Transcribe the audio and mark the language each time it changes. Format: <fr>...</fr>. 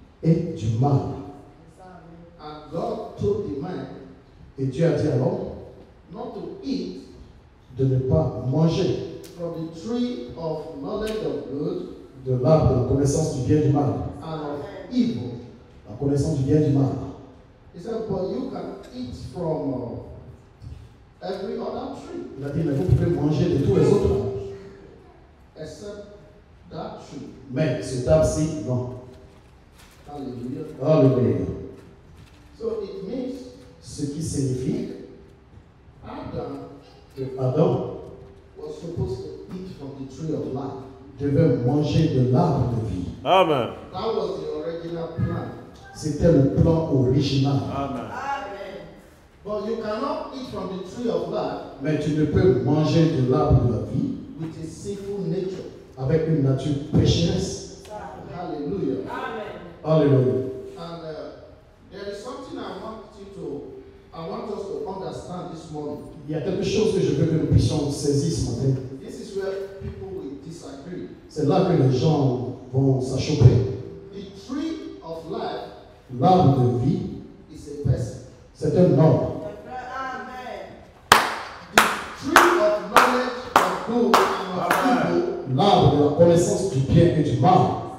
<fr>Et du mal.</fr> <en>And God told the man,</en> <fr>et Dieu a dit à l'homme,</fr> <en>not to eat,</en> <fr>de ne pas manger</fr> <en>from the tree of knowledge of good,</en> <fr>de l'arbre de la connaissance du bien et du mal.</fr> <en>And of evil.</en> <fr>La connaissance du bien et du mal.</fr> <en>He said, but you can eat from every other tree.</en> <fr>Il a dit, mais vous pouvez manger de tous les autres.</fr> <en>Except that tree.</en> <fr>Mais cet arbre-ci, non. Alléluia. Alléluia.</fr> <en>So it means,</en> <fr>ce qui signifie</fr> <en>Adam,</en> <fr>que Adam</fr> <en>was supposed to eat from the tree of life.</en> <fr>Devait manger de l'arbre de vie.</fr> <en>Amen. That was the original plan.</en> <fr>C'était le plan original.</fr> <en>Amen. But you cannot eat from the tree of life.</en> <fr>Mais tu ne peux manger de l'arbre de la vie.</fr> <en>With a sinful nature.</en> <fr>Avec une nature pécheresse.</fr> <en>Amen. Hallelujah. Amen. Hallelujah. And there is something I want us to understand this morning.</en> <fr>Il y a quelque chose que je veux que nous puissions saisir ce matin.</fr> <en>This is where people will disagree.</en> <fr>C'est là que les gens vont s'achoper.</fr> <en>The tree of life.</en> <fr>L'arbre de vie.</fr> <en>Is a person.</en> <fr>C'est un nom.</fr> <en>Amen. The tree of knowledge of good and of evil.</en> <fr>L'arbre de la connaissance du bien et du mal.</fr>